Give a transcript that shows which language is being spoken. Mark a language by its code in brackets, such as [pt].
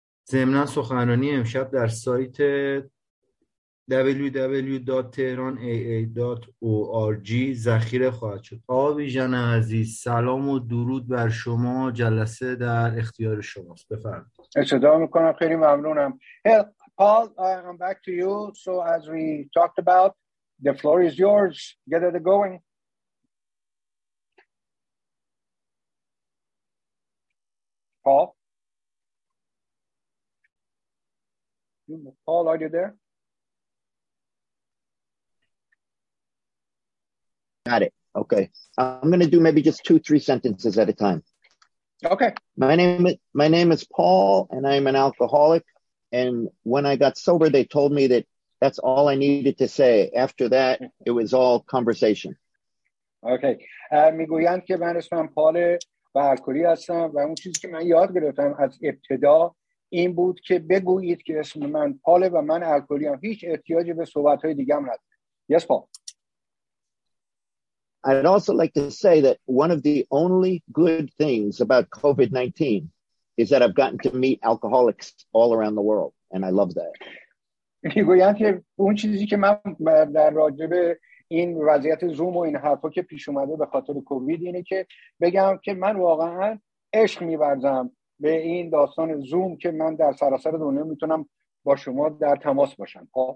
[fa] ضمناً سخنرانی امشب در سایت www.tehranaa.org ذخیره خواهد شد. آقا بیژن عزیز سلام و درود بر شما، جلسه در اختیار شماست، بفرمایید. اتشاد میکنم، خیلی ممنونم. [en] Hey, Paul, I'm back to you. So as we talked about, the floor is yours. Get it going. Paul? Paul, are you there? Got it. Okay. I'm going to do maybe just two, three sentences at a time. Okay. My name is Paul, and I'm an alcoholic. And when I got sober, they told me that that's all I needed to say. After that, it was all conversation. Okay. [fa] میگویند که من اسمم پال و الکلی هستم و اون چیزی که من یاد گرفتم از ابتدا این بود که بگویید که اسم من پال و من الکلی هم، هیچ احتیاجی به صحبت‌های دیگه هم ندارم. [en] Yes, Paul. I'd also like to say that one of the only good things about COVID-19 is that I've gotten to meet alcoholics all around the world, and I love that. [fa] میگویند که اون چیزی که من در راجب این وضعیت زوم و این حرفا که پیش اومده به خاطر کووید اینه که بگم که من واقعا عشق می‌ورزم به این داستان زوم که من در سراسر دنیا میتونم با شما در تماس باشم.